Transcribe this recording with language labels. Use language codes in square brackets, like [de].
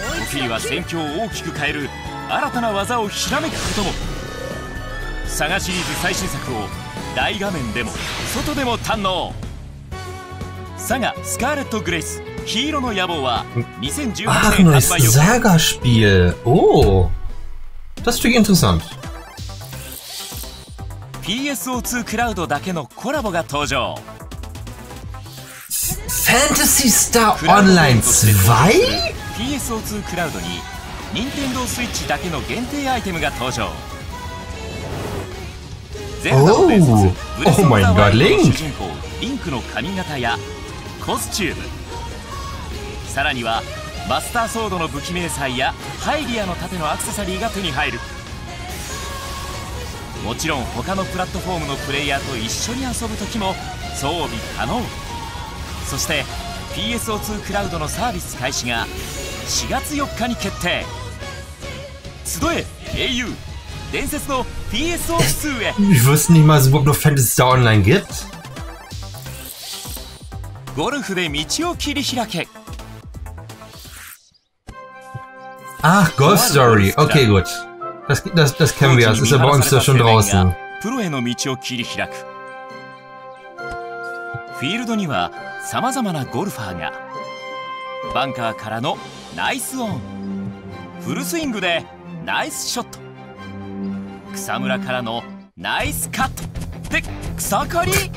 [ja] 時には戦況を大きく変える新たな技をひらめくことも。サガシリーズ最新作を大画面でも外でも堪能。サガスカーレットグレイス黄色の野望は2018年発売予定。 [de] サガスピール、おー、das ist wirklich interessant。 [ja] PSO2 クラウドだけのコラボが登場。ファンタシースターオンライン 2? PSO2 クラウドに任天堂スイッチだけの限定アイテムが登場。 [de] Oh mein Gott, Link! [ja] Link の髪型やコスチューム。さらにはマスターソードの武器迷彩やハイリアの盾のアクセサリーが手に入る。もちろん他のプラットフォームのプレイヤーと一緒に遊ぶときも装備可能。そして PSO2 クラウドのサービス開始が4月4日に決定。集え英雄、伝説の PSO2 へ。 [de] Ich wusste nicht mal, dass es überhaupt noch Fantasy Star Online gibt. [ja] ゴルフで道を切り開け。 [de] Ach, Golf Story. Okay, gut. Das kennen wir, das ist bei uns schon draußen. [ja] プロへの道を切り開く。フィールドには様々なゴルファーが。バンカーからのナイスオン。フルスイングでナイスショット。草むらからのナイスカットで草刈り。